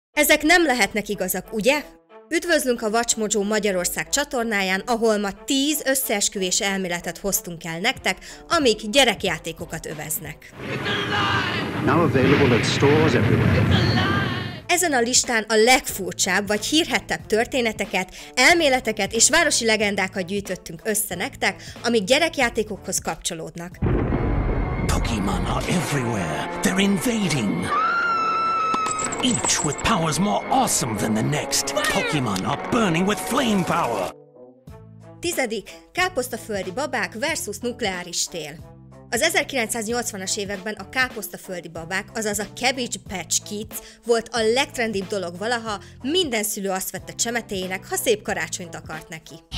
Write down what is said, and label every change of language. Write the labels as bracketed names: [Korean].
[Hungarian] Ezek nem lehetnek igazak, ugye? Üdvözlünk a Vacsmodzsó Magyarország csatornáján, ahol ma 10 összeesküvés elméletet hoztunk el nektek, amik gyerekjátékokat öveznek. [English] Now available at stores everywhere. [Hungarian] Ezen a listán a legfurcsább vagy hírhettebb történeteket, elméleteket és városi legendákat gyűjtöttünk össze nektek, amik gyerekjátékokhoz kapcsolódnak. [English] Pokémon are everywhere. They're invading. Each with powers more awesome than the next. Pokémon are burning with flame power. [Hungarian] 10. Káposztaföldi babák versus nukleáris tél. Az 1980-as években a káposztaföldi babák, azaz a Cabbage Patch Kids volt a legtrendibb dolog valaha, minden szülő azt vette csemetéjének, ha szép karácsonyt akart neki.